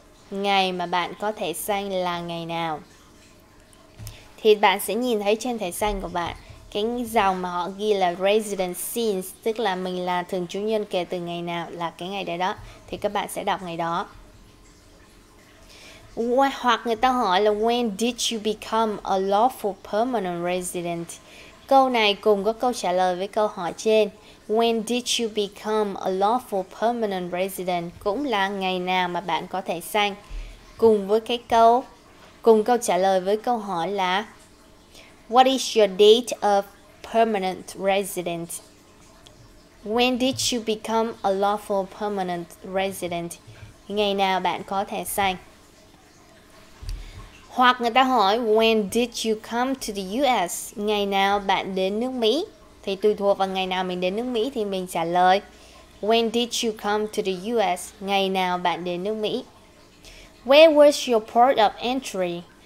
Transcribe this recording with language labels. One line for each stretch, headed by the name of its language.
Vietnamese: Ngày mà bạn có thẻ xanh là ngày nào? Thì bạn sẽ nhìn thấy trên thẻ xanh của bạn cái dòng mà họ ghi là resident since, tức là mình là thường trú nhân kể từ ngày nào, là cái ngày đấy đó. Thì các bạn sẽ đọc ngày đó. Hoặc người ta hỏi là
English: when did you become a lawful permanent resident?
Vietnamese: Câu này cùng có câu trả lời với câu hỏi trên.
English: When did you become a lawful permanent resident?
Vietnamese: Cũng là ngày nào mà bạn có thẻ xanh. Cùng với cái câu, cùng câu trả lời với câu hỏi là
English: what is your date of permanent resident? When did you become a lawful permanent resident?
Vietnamese: Ngày nào bạn có thẻ xanh? Hoặc người ta hỏi
English: when did you come to the US?
Vietnamese: Ngày nào bạn đến nước Mỹ? Thì tùy thuộc vào ngày nào mình đến nước Mỹ thì mình trả lời
English: when did you come to the US?
Vietnamese: Ngày nào bạn đến nước Mỹ?
English: Where was your port of entry?